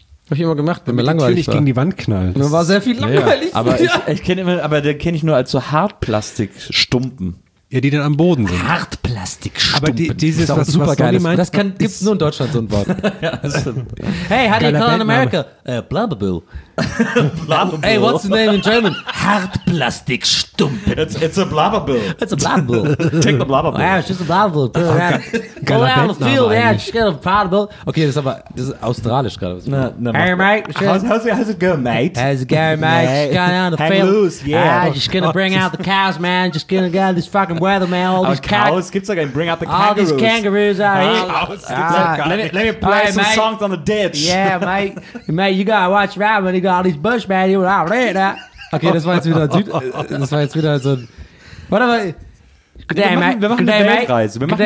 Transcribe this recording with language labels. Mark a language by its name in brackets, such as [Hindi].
[German] Hab ich immer gemacht, wenn mir langweilig war. Gegen die Wand knallt. Mir war sehr viel langweilig. Ja. Aber den kenne ich nur als so Hartplastikstumpen. Ja, die dann am Boden sind. Hartplastikstumpen. Aber dieses ist auch super geil. Das gibt es nur in Deutschland, so ein Wort. [English] Hey, how do you call in America? Blubberbill. Blubberbill. Hey, what's the name in German? [German] Hartplastikstumpen. [English] It's a Blubberbill. It's a Blubberbill. Take the Blubberbill. Yeah, it's just a Blubberbill. Go out on the field, yeah, just get a Blubberbill. [German] Okay, das ist australisch gerade. [English] Hey, mate. How's it going, mate? How's it going, mate? Just going out on the field. Hang loose, yeah. Just gonna bring out the cows, man. Just gonna get this fucking weather, man. All these cows. [German] Gibt's da keinen? [English] Bring out the kangaroos. All these kangaroos out here. Cows. Let me play some mate. Songs on the ditch. Yeah, mate. Mate, you gotta watch out when you got all these bushmen. You know, I read that. [German] Okay, das war jetzt wieder so ein... Warte mal. [English] Good day, mate. [German] Wir machen eine Weltreise.